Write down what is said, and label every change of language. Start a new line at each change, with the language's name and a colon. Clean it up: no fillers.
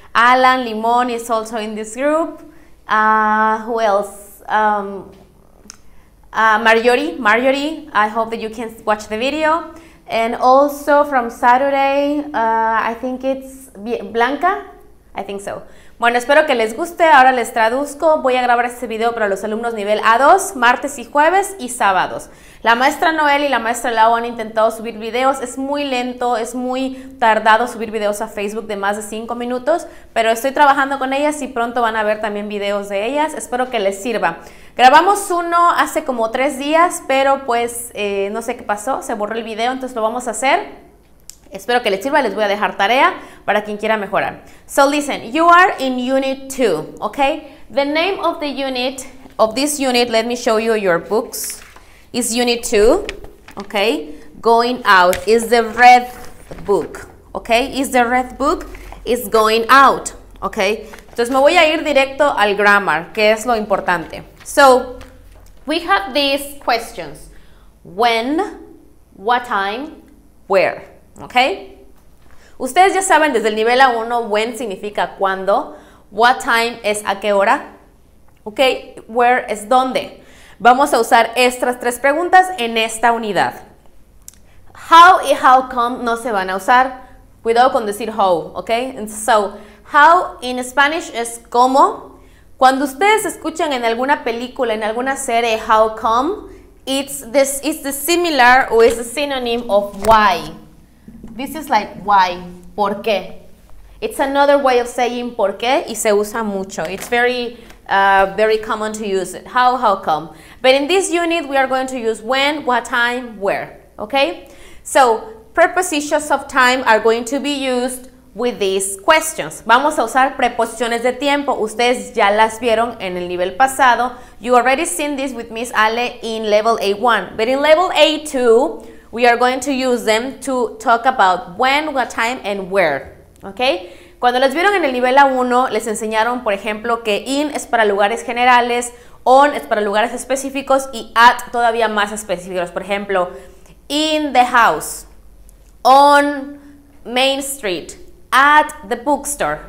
English: Alan Limon is also in this group, who else? Marjorie, I hope that you can watch the video, and also from Saturday, I think it's Blanca, I think so.
Spanish: Bueno, espero que les guste. Ahora les traduzco. Voy a grabar este video para los alumnos nivel A2, martes y jueves y sábados. La maestra Noel y la maestra Lau han intentado subir videos. Es muy lento, es muy tardado subir videos a Facebook de más de 5 minutos, pero estoy trabajando con ellas y pronto van a ver también videos de ellas. Espero que les sirva. Grabamos uno hace como 3 días, pero pues no sé qué pasó. Se borró el video, entonces lo vamos a hacer. Espero que les sirva, les voy a dejar tarea para quien quiera mejorar.
English: So listen, you are in unit 2, okay? The name of the unit, of this unit, let me show you your books, is unit 2, okay? Going out is the red book, okay? Is the red book, is going out, okay?
Spanish: Entonces me voy a ir directo al grammar, que es lo importante.
English: So, we have these questions. When, what time, where? ¿Ok?
Spanish: Ustedes ya saben desde el nivel A1, when significa cuándo, what time es a qué hora, ¿ok? Where es dónde. Vamos a usar estas tres preguntas en esta unidad. How y how come no se van a usar. Cuidado con decir how, ¿ok?
English: And so, how in Spanish
Spanish: es cómo. Cuando ustedes escuchan en alguna película, en alguna serie, how come,
English: it's the similar
Spanish: o
English: it's the synonym of why. This is like why, por qué. It's another way of saying por qué
Spanish: y se usa mucho.
English: It's very, very common to use it. How come? But in this unit, we are going to use when, what time, where. Okay? So, prepositions of time are going to be used with these questions.
Spanish: Vamos a usar preposiciones de tiempo. Ustedes ya las vieron en el nivel pasado.
English: You already seen this with Miss Ale in level A1. But in level A2, we are going to use them to talk about when, what time, and where, okay?
Spanish: Cuando les vieron en el nivel A1, les enseñaron, por ejemplo, que in es para lugares generales, on es para lugares específicos, y at todavía más específicos. Por ejemplo,
English: in the house, on Main Street, at the bookstore.